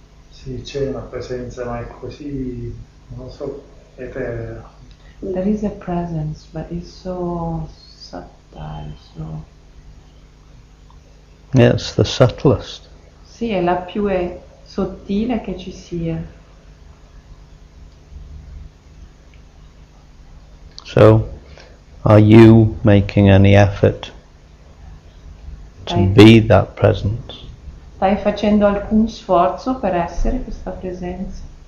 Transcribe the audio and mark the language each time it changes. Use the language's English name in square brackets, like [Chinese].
[Italian] Sì, c'è una presenza, ma è così, non so, eterea. [English] There is a presence, but it's so subtle, so... Yeah, it's the subtlest. [Italian] Sì, è la più sottile che ci sia. [English] So, are you making any effort to be that presence? [Italian] Stai facendo alcun sforzo per essere questa presenza?